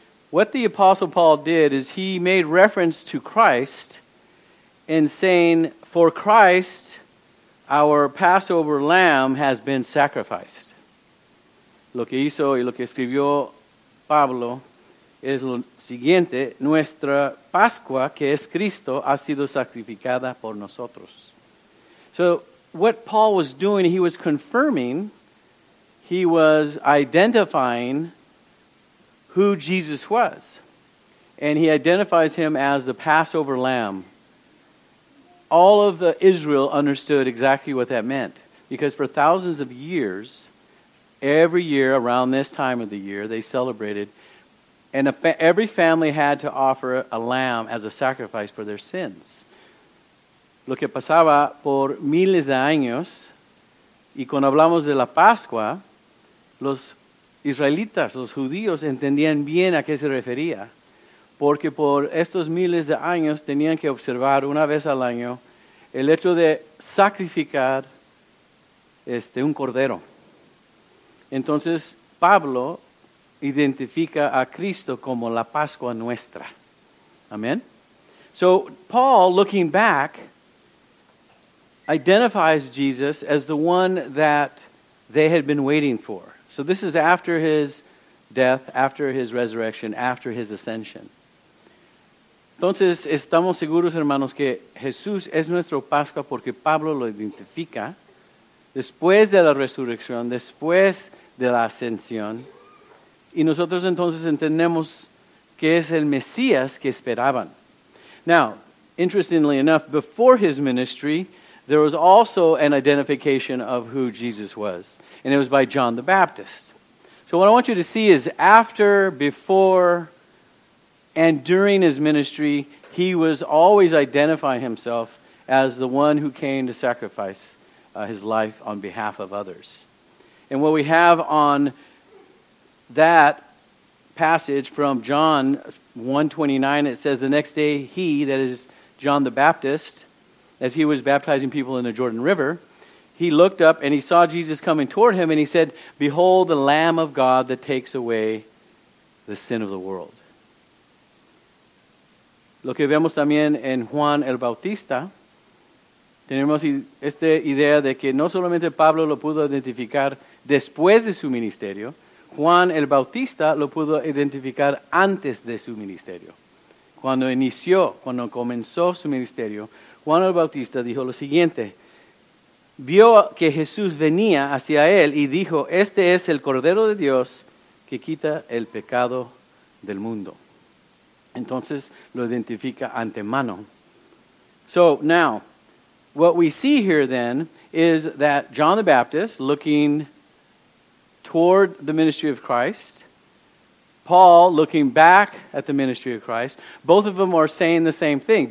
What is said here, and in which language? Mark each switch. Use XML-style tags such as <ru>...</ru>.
<en>What the apostle Paul did is he made reference to Christ in saying, "For Christ, our Passover lamb has been sacrificed."</en> <es>Lo que hizo y lo que escribió Pablo es lo siguiente: nuestra Pascua, que es Cristo, ha sido sacrificada por nosotros.</es> <en>So what Paul was doing, he was confirming, he was identifying who Jesus was. And he identifies him as the Passover lamb. all of Israel understood exactly what that meant. Because for thousands of years, every year around this time of the year, they celebrated. And every family had to offer a lamb as a sacrifice for their sins.</en> <es>Lo que pasaba por miles de años, y cuando hablamos de la Pascua, los israelitas, los judíos, entendían bien a qué se refería. Porque por estos miles de años tenían que observar una vez al año el hecho de sacrificar un cordero. Entonces, Pablo identifica a Cristo como la Pascua nuestra. Amen.</es> <en>So, Paul, looking back, identifies Jesus as the one that they had been waiting for. So this is after his death, after his resurrection, after his ascension.</en> <es>Entonces, estamos seguros, hermanos, que Jesús es nuestro Pascua porque Pablo lo identifica después de la resurrección, después de la ascensión. Y nosotros entonces entendemos que es el Mesías que esperaban.</es> <en>Now, interestingly enough, before his ministry, there was also an identification of who Jesus was. And it was by John the Baptist. So what I want you to see is after, before, and during his ministry, he was always identifying himself as the one who came to sacrifice his life on behalf of others. And what we have on that passage from John 1:29, it says, the next day he, that is John the Baptist, as he was baptizing people in the Jordan River, he looked up and he saw Jesus coming toward him and he said, behold, the Lamb of God that takes away the sin of the world.</en> <es>Lo que vemos también en Juan el Bautista, tenemos esta idea de que no solamente Pablo lo pudo identificar después de su ministerio, Juan el Bautista lo pudo identificar antes de su ministerio. Cuando inició, cuando comenzó su ministerio, Juan el Bautista dijo lo siguiente, vio que Jesús venía hacia él y dijo, este es el Cordero de Dios que quita el pecado del mundo. Entonces lo identifica antemano.</es> <en>So now, what we see here then is that John the Baptist, looking toward the ministry of Christ, Paul, looking back at the ministry of Christ, both of them are saying the same thing.</en>